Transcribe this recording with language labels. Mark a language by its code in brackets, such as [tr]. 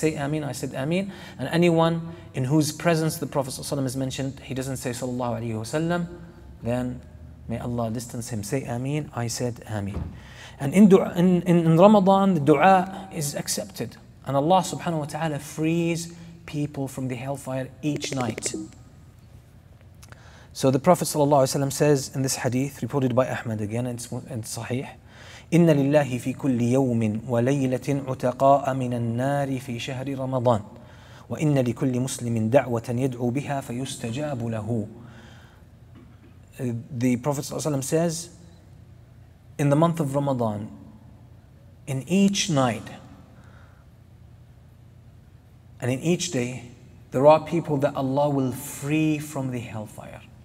[en] Say Ameen, I said Ameen. And anyone in whose presence the Prophet ﷺ is mentioned, he doesn't say Sallallahu Alaihi Wasallam, then may Allah distance him. Say Ameen, I said Ameen. And in Ramadan, the dua is accepted. And Allah subhanahu wa ta'ala frees people from the hellfire each night. So the Prophet sallallahu alayhi wa sallam says in this hadith, reported by Ahmad again, it's sahih, [ar] إِنَّ لِلَّهِ فِي كُلِّ يَوْمٍ وَلَيْلَةٍ عُتَقَاءَ مِنَ النَّارِ فِي شَهْرِ رَمَضَانِ وَإِنَّ لِكُلِّ مُسْلِمٍ دَعْوَةً يَدْعُو بِهَا فَيُسْتَجَابُ لَهُ. [en] The Prophet sallallahu alayhi wa sallam says, in the month of Ramadan, in each night and in each day, there are people that Allah will free from the hellfire.